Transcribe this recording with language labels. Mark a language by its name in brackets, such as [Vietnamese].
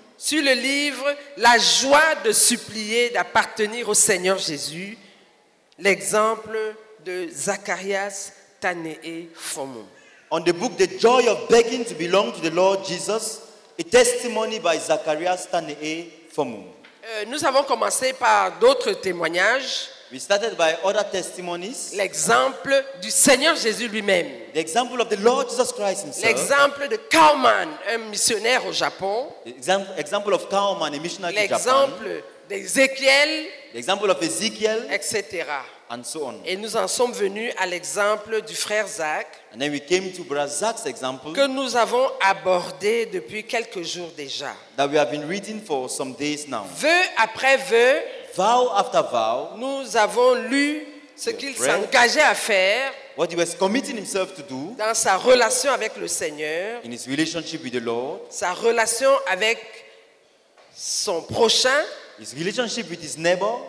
[French] sur le livre La joie de supplier d'appartenir au Seigneur Jésus, l'exemple de Zacharias Tanee Fomo. [English] On the book The Joy of Begging to Belong to the Lord Jesus, a testimony by Zacharias Tanee Fomo. [French] Nous avons commencé par d'autres témoignages. [English] We started by other testimonies. [French] L'exemple du Seigneur Jésus lui-même. [English] The example of the Lord Jesus Christ himself. [French] L'exemple de Kauman, un missionnaire au Japon. [English] The example of Kauman, a missionary in Japan. [French] L'exemple d'Ézéchiel. [English] The example of Ezekiel. [French] Etc. [English] And so on. [French] Et nous en sommes venus à l'exemple du frère Zach. [English] And then we came to Brother Zach's example. [French] Que nous avons abordé depuis quelques jours déjà. [English] That we have been reading for some days now. [French] Vœu après vœu. [English] Vow after vow, [French] nous avons lu ce qu'il breath, s'engageait à faire, [English] what he was committing himself to do, [French] dans sa relation avec le Seigneur, [English] in his relationship with the Lord, [French] sa relation avec son prochain, [English] his relationship with his neighbor,